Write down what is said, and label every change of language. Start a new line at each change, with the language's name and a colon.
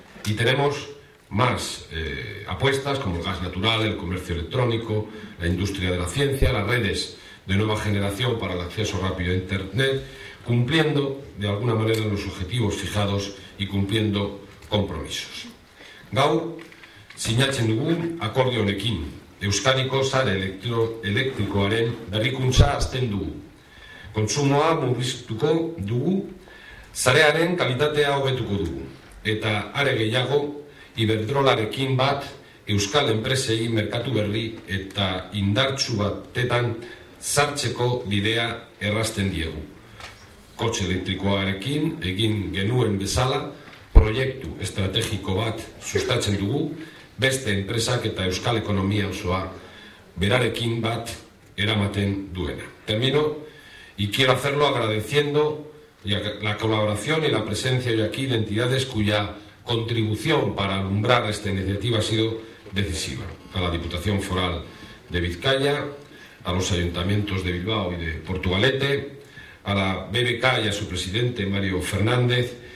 Spanish: Y tenemos más apuestas como el gas natural, el comercio electrónico, la industria de la ciencia, las redes de nueva generación para el acceso rápido a Internet, cumpliendo de alguna manera los objetivos fijados y cumpliendo compromisos.
Basque: Gaur, sinatzen dugun akordio honekin, Euskadiko sare elektrikoaren berrikuntza azten dugu. Kontsumoa murriztuko dugu, sarearen kalitatea hobetuko dugu. Eta are gehiago, Iberdrolarekin bat, euskal enpresei merkatu berri eta indartsu batetan sartzeko bidea errazten diegu. Kotxe elektrikoarekin egin genuen bezala, proiektu estrategiko bat sustatzen dugu, beste enpresak eta euskal ekonomia osoa berarekin bat eramaten duena.
Spanish: Termino y quiero hacerlo agradeciendo la colaboración y la presencia hoy aquí de entidades cuya contribución para alumbrar esta iniciativa ha sido decisiva. A la Diputación Foral de Vizcaya, a los ayuntamientos de Bilbao y de Portugalete, a la BBK y a su presidente Mario Fernández,